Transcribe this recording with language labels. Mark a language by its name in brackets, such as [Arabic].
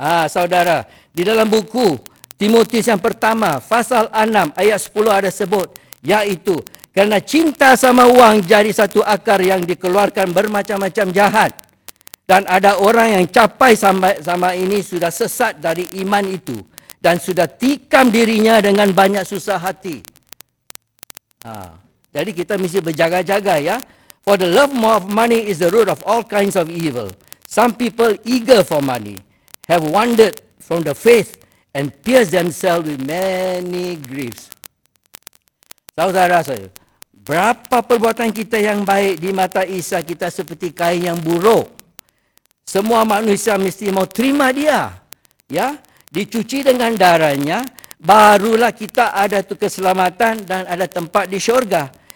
[Malay] Saudara, di dalam buku Timotius yang pertama, pasal 6, ayat 10 ada sebut, yaitu, karena cinta sama uang jadi satu akar yang dikeluarkan bermacam-macam jahat. Dan ada orang yang capai sama ini sudah sesat dari iman itu. Dan sudah tikam dirinya dengan banyak susah hati. Jadi kita mesti berjaga-jaga, ya. [English] For the love of money is the root of all kinds of evil. Some people eager for money have wandered from the faith and pierced themselves with many griefs. [Malay] Saudara saya, berapa perbuatan kita yang baik di mata Isa, kita seperti kain yang buruk. Semua manusia mesti mau terima dia, ya. Dicuci dengan darahnya, barulah kita ada tu keselamatan dan ada tempat di syurga.